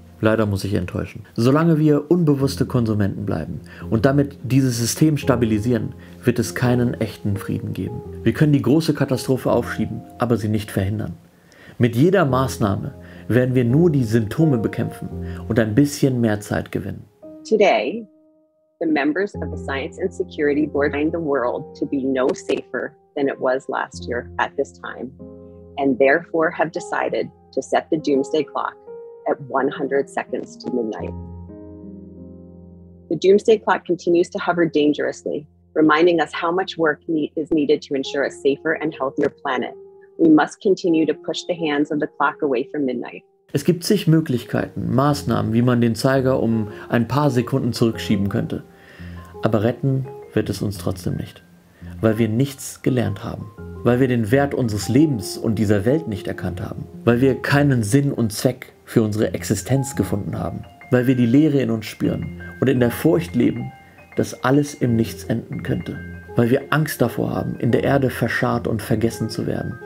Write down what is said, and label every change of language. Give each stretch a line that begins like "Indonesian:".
German: Leider muss ich enttäuschen. Solange wir unbewusste Konsumenten bleiben und damit dieses System stabilisieren, wird es keinen echten Frieden geben. Wir können die große Katastrophe aufschieben, aber sie nicht verhindern. Mit jeder Maßnahme werden wir nur die Symptome bekämpfen und ein bisschen mehr Zeit gewinnen.
English: Today, the members of the Science and Security Board find the world to be no safer than it was last year at this time, and therefore have decided to set the doomsday clock at 100 seconds to midnight. The doomsday clock continues to hover dangerously, reminding us how much work is needed to ensure a safer and healthier planet. We must continue to push the hands of the clock away from midnight.
German: Es gibt zig Möglichkeiten, Maßnahmen, wie man den Zeiger um ein paar Sekunden zurückschieben könnte. Aber retten wird es uns trotzdem nicht, weil wir nichts gelernt haben, weil wir den Wert unseres Lebens und dieser Welt nicht erkannt haben, weil wir keinen Sinn und Zweck für unsere Existenz gefunden haben, weil wir die Leere in uns spüren und in der Furcht leben, dass alles im Nichts enden könnte, weil wir Angst davor haben, in der Erde verscharrt und vergessen zu werden.